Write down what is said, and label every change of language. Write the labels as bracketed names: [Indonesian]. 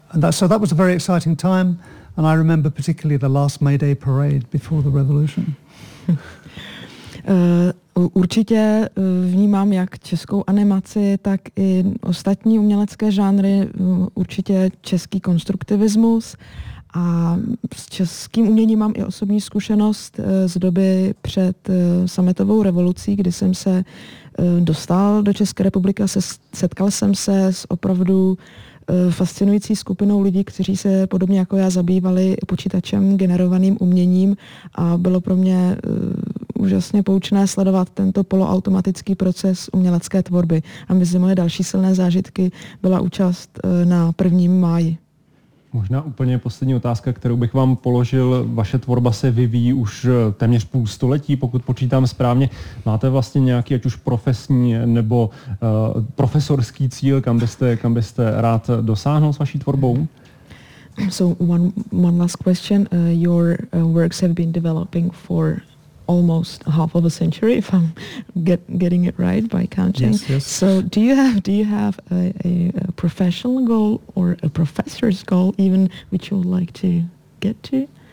[English] So that was a very exciting time, and I remember particularly the last May Day parade before the revolution. [Czech] Určitě vnímám jak českou animaci, tak i ostatní umělecké žánry, určitě český konstruktivismus. A s českým uměním mám i osobní zkušenost z doby před sametovou revolucí, kdy jsem se dostal do České republiky a setkal jsem se s opravdu fascinující skupinou lidí, kteří se podobně jako já zabývali počítačem generovaným uměním a bylo pro mě úžasně poučné sledovat tento poloautomatický proces umělecké tvorby. A mezi moje další silné zážitky byla účast na 1. máji. Možná úplně poslední otázka, kterou bych vám položil. Vaše tvorba se vyvíjí už téměř půl století, pokud počítám správně. Máte vlastně nějaký ať už profesní nebo profesorský cíl, kam byste rád dosáhnul s vaší tvorbou? [English] So one last question. Your works have been developing for almost half of a century, if I'm getting it right by counting. Yes, yes. So do you have a professional goal or a professor's goal even, which you would like to get to?